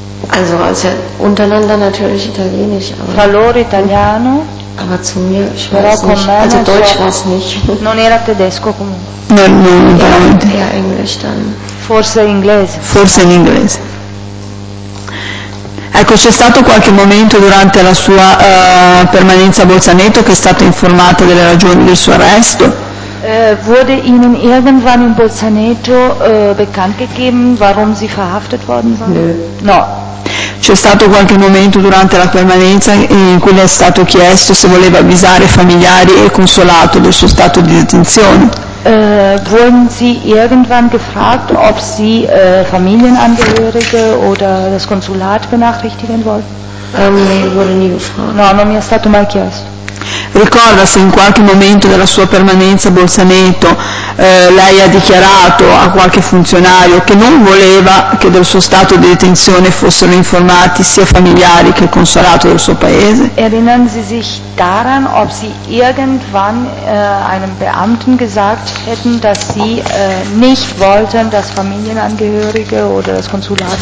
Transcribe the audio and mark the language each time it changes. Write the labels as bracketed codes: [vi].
[de] Also untereinander natürlich italienisch, aber [it] loro italiano, [de] aber zu mir, ich weiß nicht, me, also deutsch war es nicht. [it] Non era tedesco comunque. Non veramente. [de] Eher englisch dann. [it] Forse in inglese. Ecco, c'è stato qualche momento durante la sua permanenza a Bolzaneto che è stata informata delle ragioni del suo arresto? [de] Wurde Ihnen irgendwann in Bolzaneto bekannt gegeben, warum Sie verhaftet worden sind? Nö. [it] No. C'è stato qualche momento durante la permanenza in cui le è stato chiesto se voleva avvisare familiari e consolato del suo stato di detenzione? [de] Wurden Sie irgendwann gefragt, ob Sie Familienangehörige oder das Konsulat benachrichtigen wollen? [it] Non mi è stato mai chiesto. Ricorda se in qualche momento della sua permanenza a Bolzaneto lei ha dichiarato a qualche funzionario che non voleva che del suo stato di detenzione fossero informati sia familiari che il consolato del suo paese? [de] Erinnern Sie sich daran, ob Sie irgendwann einem Beamten gesagt hätten, dass Sie nicht wollten, dass Familienangehörige oder das Konsulat